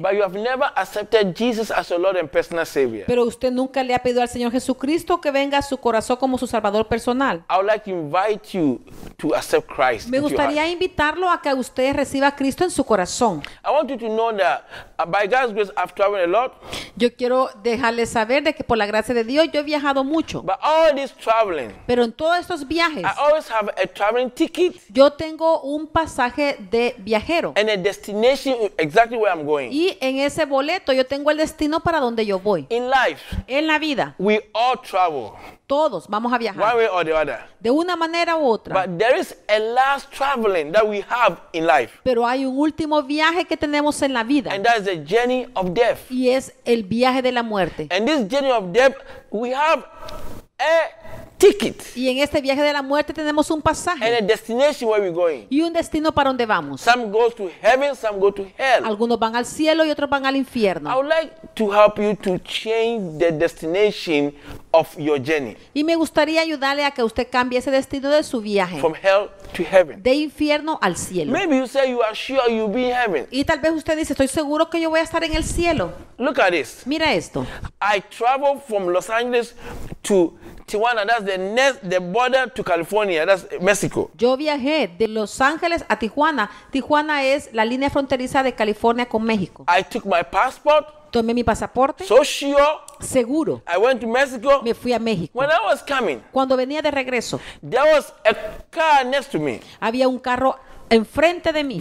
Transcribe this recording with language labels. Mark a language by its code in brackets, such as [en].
[en] but you have never accepted Jesus as your Lord and personal Savior, [es] pero usted nunca le ha pedido al Señor Jesucristo que venga a su corazón como su Salvador personal, [en] I would like to invite you to accept Christ. [es] Me gustaría invitarlo a que usted reciba a Cristo en su corazón. [en] I want you to know that by God's grace, I've traveled a lot. [es] Yo quiero dejarle saber de que por la gracia de Dios yo he viajado mucho. [en] But all this traveling, [es] pero en todos estos viajes, [en] I always have a traveling ticket. [es] Yo tengo un pasaje de viajero. [en] And a destination exactly where I'm going. [es] Y en ese boleto yo tengo el destino para donde yo voy. [en] In life, [es] en la vida, [en] we all travel. [es] Todos vamos a viajar. [en] One way or the other. [es] De una manera u otra. [en] But there is a last traveling that we have in life. [es] Pero hay un último viaje que tenemos en la vida. [en] And that is the journey of death. [es] Y es el viaje de la muerte. [en] And this journey of death, we have a ticket. [es] Y en este viaje de la muerte tenemos un pasaje. [en] And a destination where we're going. [es] Y un destino para donde vamos. [en] Some go to heaven, some go to hell. [es] Algunos van al cielo y otros van al infierno. [en] I would like to help you to change the destination of your journey. [es] Y me gustaría ayudarle a que usted cambie ese destino de su viaje. [en] From hell to heaven. [es] De infierno al cielo. [en] Maybe you say you are sure you'll be in heaven. [es] Y tal vez usted dice, estoy seguro que yo voy a estar en el cielo. [en] Look at this. [es] Mira esto. [en] I travel from Los Angeles to Tijuana, that's the border to California, that's Mexico. [es] Yo viajé de Los Ángeles a Tijuana. Tijuana es la línea fronteriza de California con México. [en] I took my passport. [es] Tomé mi pasaporte. [en] So sure. [es] Seguro. [en] I went to Mexico. [es] Me fui a México. [en] When I was coming, [es] cuando venía de regreso, [en] there was a car next to me. [es] Había un carro enfrente de mí.